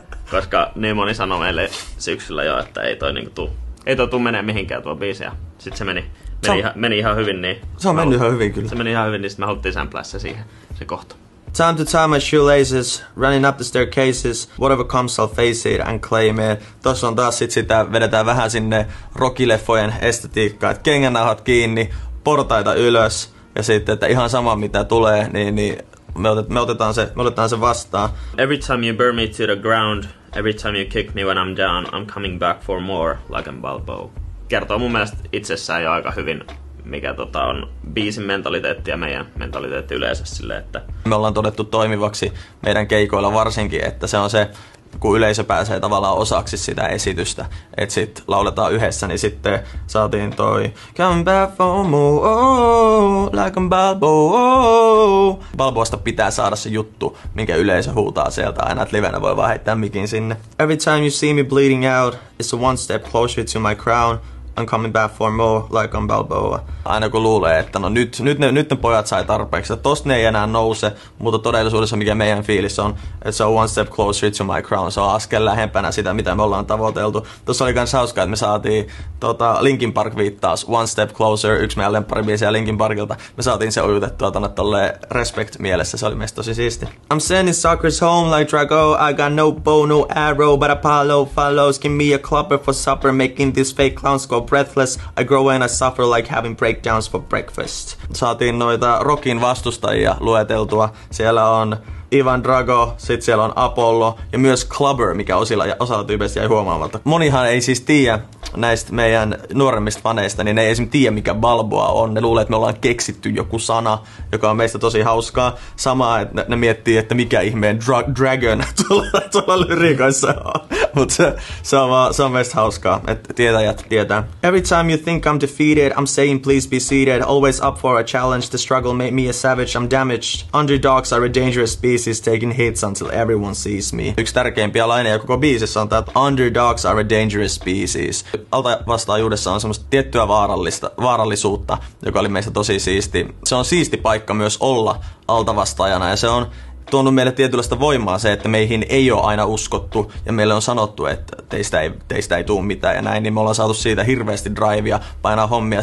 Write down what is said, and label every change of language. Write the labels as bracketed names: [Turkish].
[Finnish] Koska niin moni sanoi meille syksyllä jo, että ei toi niinku tuu menee mihinkään tuo biisi. Sitten se meni ihan hyvin, niin se on mennyt ihan hyvin kyllä. Se meni ihan hyvin, niin sitten me haluttiin samplaa se siihen, se kohta. [English] Time to tie my shoelaces, running up the staircases, whatever comes I'll face it and claim it. [Finnish] Tossa on taas sit sitä, vedetään vähän sinne rockileffojen estetiikkaa, että kengänauhat kiinni, portaita ylös ja sitten, että ihan sama mitä tulee, niin Me otetaan se vastaan. [English] Every time you burn me to the ground, every time you kick me when I'm down, I'm coming back for more, like a Balboa. [Finnish] Kertoo mun mielestä itsessään jo aika hyvin, mikä on biisin mentaliteetti ja meidän mentaliteetti yleensä sille, että me ollaan todettu toimivaksi meidän keikoilla varsinkin, että se on se, kun yleisö pääsee tavallaan osaksi sitä esitystä, et sit lauletaan yhdessä, niin sitten saatiin toi [English] coming back for more, like a Balboa. [Finnish] Balboasta pitää saada se juttu, minkä yleisö huutaa sieltä aina, et livenä voi vaan heittää mikin sinne. [English] Every time you see me bleeding out, it's a one step closer to my crown, I'm coming back for more, like a Balboa. [Finnish] Aina kun luulee, että no nyt ne pojat sai tarpeeksi, että tosta ne ei enää nouse, mutta todellisuudessa mikä meidän fiilis on, että se on [English] one step closer to my crown, [Finnish] se on askel lähempänä sitä, mitä me ollaan tavoiteltu. Tossa oli kans hauskaa, että me saatiin Linkin Park viittaus, [English] one step closer, [Finnish] yksi meidän lempparibiisiä Linkin Parkilta, me saatiin se ujutettua tonne tolle respect mielessä, se oli meistä tosi siisti. [English] I'm sending suckers home like Drago, I got no bow, no arrow, but Apollo follows, give me a clopper for supper, making this fake clowns go breathless, I grow and I suffer like having breakdowns for breakfast. [Finnish] Saatiin noita Rockin vastustajia lueteltua. Siellä on Ivan Drago, sit siellä on Apollo ja myös Clubber, mikä osalla tyypeistä jäi huomaamatta. Monihan ei siis tiedä näistä meidän nuoremmista faneista, niin ne ei esimerkiksi tiedä, mikä Balboa on. Ne luulee, että me ollaan keksitty joku sana, joka on meistä tosi hauskaa. Sama, että ne miettii, että mikä ihmeen Dragon tuolla lyriikassa on. Mutta se on meistä hauskaa, että tietäjät tietää. [English] Every time you think I'm defeated, I'm saying please be seated. Always up for a challenge, the struggle made me a savage, I'm damaged. Underdogs are a dangerous piece, is taking hits until everyone sees me. [Finnish] Yksi tärkeimpiä laineja koko biisissä on tää, että [English] underdogs are a dangerous species. [Finnish] Altavastaajuudessa on semmoista tiettyä vaarallisuutta, joka oli meistä tosi siisti. Se on siisti paikka myös olla altavastaajana ja se on tuonut meille tietynlaista voimaa se, että meihin ei ole aina uskottu ja meille on sanottu, että teistä ei tule mitään ja näin, niin me ollaan saatu siitä hirveästi drivea painaa hommia.